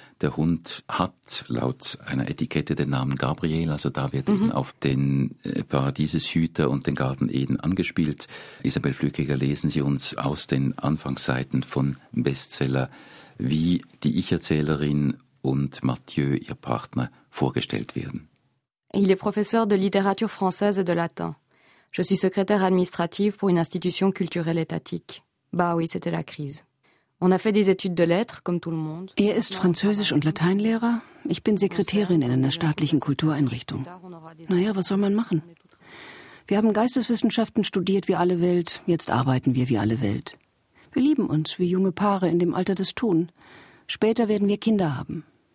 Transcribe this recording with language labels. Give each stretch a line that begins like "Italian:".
German: Der Hund hat laut einer Etikette den Namen Gabriel, also da wird eben auf den Paradieseshüter und den Garten Eden angespielt. Isabel Flückiger, lesen Sie uns aus den Anfangsseiten von Bestseller, wie die Ich-Erzählerin und Mathieu, ihr Partner, vorgestellt werden.
French: Il est professeur de littérature française et de latin. Je suis secrétaire administrative pour une institution culturelle étatique. Bah oui, c'était la crise. On a fait des études de lettres, comme tout le monde.
German: Er ist Französisch- und Lateinlehrer. Ich bin Sekretärin in einer staatlichen Kultureinrichtung. Naja, was soll man machen? Wir haben Geisteswissenschaften studiert wie alle Welt, jetzt arbeiten wir wie alle Welt. Wir lieben uns, wie junge Paare in dem Alter das tun. Später werden wir Kinder haben.